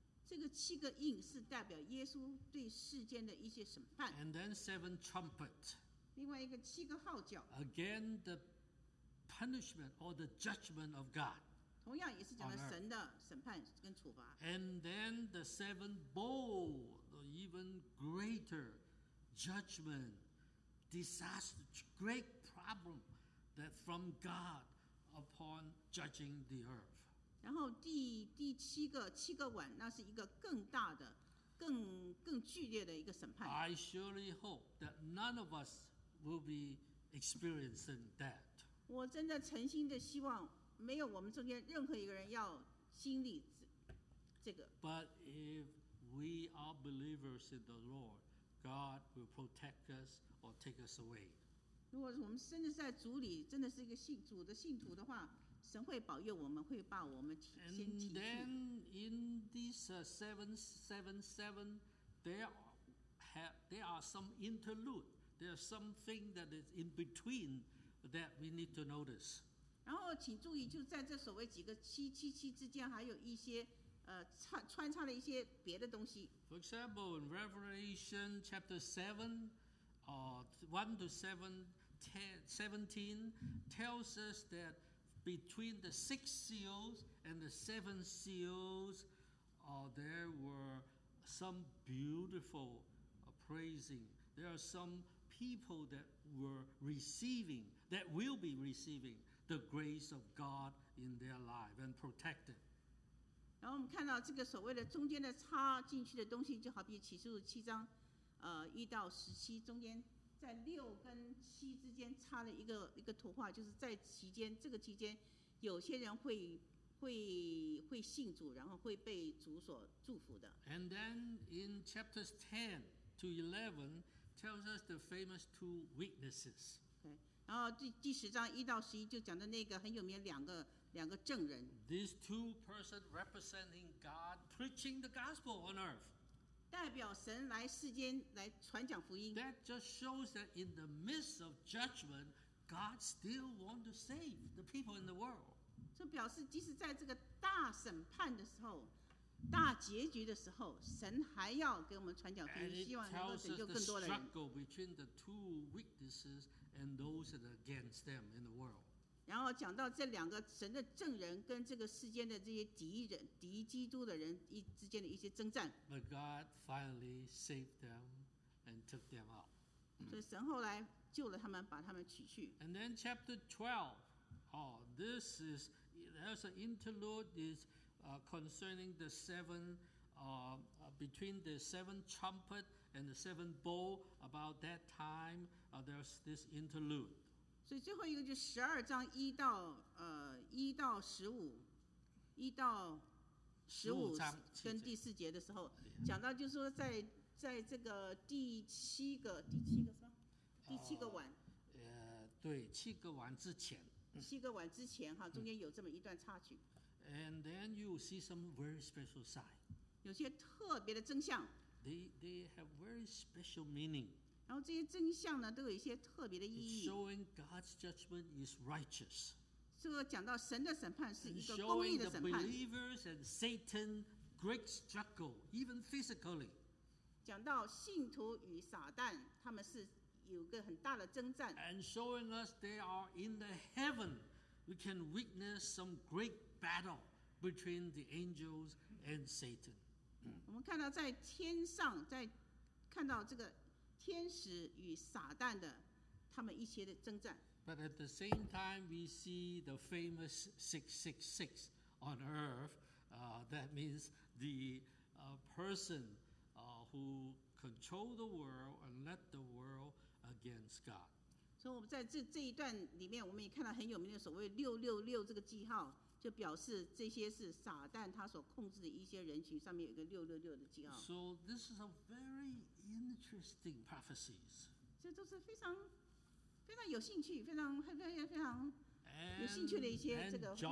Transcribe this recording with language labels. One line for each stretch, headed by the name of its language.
Chinese: 这个七个印是代表耶稣对世间的一些审判。
English: And then seven trumpets.
Chinese: 另外一个七个号角。
English: Again, the punishment or the judgment of God.
Chinese: 同样也是讲了神的审判跟处罚。
English: And then the seven bowl, even greater judgment, disaster, great problem that from God upon judging the earth.
Chinese: 然后第七个碗，那是一个更大的、更剧烈的一个审判。
English: I surely hope that none of us will be experiencing that.
Chinese: 我真的诚心的希望没有我们中间任何一个人要经历这个。
English: But if we are believers in the Lord, God will protect us or take us away.
Chinese: 如果我们真的在主里，真的是一个信主的信徒的话，神会保佑我们，会把我们先提去。
English: And then in this 7:7:7, there are some interlude. There's something that is in between that we need to notice.
Chinese: 然后请注意，就在这所谓几个七七七之间，还有一些穿插了一些别的东西。
English: For example, in Revelation chapter 7, 1 to 17, tells us that between the six seals and the seven seals, there were some beautiful praising. There are some people that were receiving, that will be receiving the grace of God in their life and protected.
Chinese: 然后我们看到这个所谓的中间的插进去的东西，就好比启示录七章，一到十七中间。在六跟七之间插了一个图画，就是在期间，这个期间，有些人会信主，然后会被主所祝福的。
English: And then in chapters 10 to 11 tells us the famous two witnesses. Okay.
Chinese: 然后第十章一到十一就讲的那个很有名两个证人。
English: These two persons representing God preaching the gospel on earth.
Chinese: 代表神来世间来传讲福音。
English: That just shows that in the midst of judgment, God still wants to save the people in the world.
Chinese: 这表示即使在这个大审判的时候，大结局的时候，神还要给我们传讲福音，希望能够拯救更多的人。
English: And it tells us the struggle between the two witnesses and those that are against them in the world.
Chinese: 然后讲到这两个神的证人跟这个世间的这些敌人、敌基督的人之间的一些征战。
English: But God finally saved them and took them out.
Chinese: 所以神后来救了他们，把他们取去。
English: And then chapter 12, there's an interlude is concerning the seven, between the seven trumpet and the seven bowl. About that time, there's this interlude.
Chinese: 所以最后一个就十二章一到一到十五，一到十五跟第四节的时候，讲到就是说在这个第七个是吧？第七个碗。对，七个碗之前。七个碗之前哈，中间有这么一段插曲。
English: And then you see some very special sign.
Chinese: 有些特别的真相。
English: They have very special meaning.
Chinese: 然后这些真相呢，都有一些特别的意义。
English: Showing God's judgment is righteous.
Chinese: 这个讲到神的审判是一个公义的审判。
English: Showing the believers and Satan great struggle, even physically.
Chinese: 讲到信徒与撒旦，他们是有个很大的征战。
English: And showing us they are in the heaven, we can witness some great battle between the angels and Satan.
Chinese: 我们看到在天上，在看到这个。天使与撒旦的他们一些的征战。
English: But at the same time, we see the famous 666 on earth. That means the person who control the world and led the world against God.
Chinese: 所以我们在这一段里面，我们也看到很有名的所谓666这个记号，就表示这些是撒旦他所控制的一些人群，上面有一个666的记号。
English: So this is a very interesting prophecies.
Chinese: 这都是非常非常有兴趣，非常非常非常有兴趣的一些这个预言。